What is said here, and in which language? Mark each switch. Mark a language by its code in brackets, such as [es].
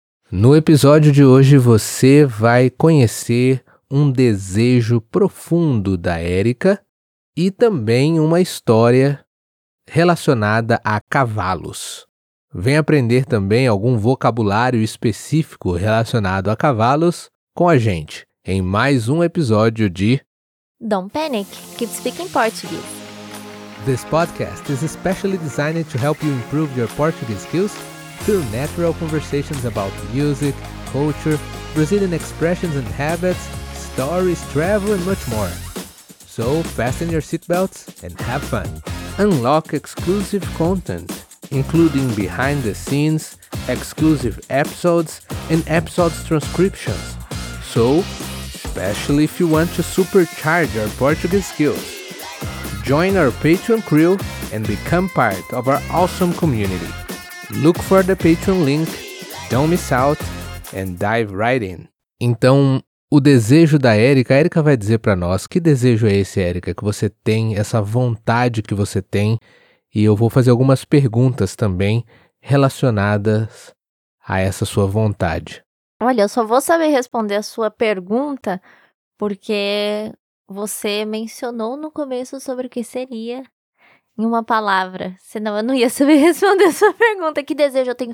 [pt] No episódio de hoje, você vai conhecer um desejo profundo da Érica e também uma história relacionada a cavalos. Vem aprender também algum vocabulário específico relacionado a cavalos com a gente em mais um episódio de [en] Don't Panic, Keep Speaking Portuguese. This podcast is especially designed to help you improve your Portuguese skills through natural conversations about music, culture, Brazilian expressions and habits, stories, travel, and much more. So, fasten your seatbelts and have fun. Unlock exclusive content, including behind the scenes, exclusive episodes, and episodes transcriptions. So, especially if you want to supercharge your Portuguese skills, join our Patreon crew and become part of our awesome community. Look for the Patreon link, don't miss out, and dive right in. [pt] Então, o desejo da Érica, a Érica vai dizer para nós, que desejo é esse, Érica, que você tem, essa vontade que você tem, e eu vou fazer algumas perguntas também relacionadas a essa sua vontade. Olha, eu só vou saber responder a sua pergunta porque você mencionou no começo sobre o que seria em uma palavra, senão eu não ia saber responder a sua pergunta. Que desejo eu tenho?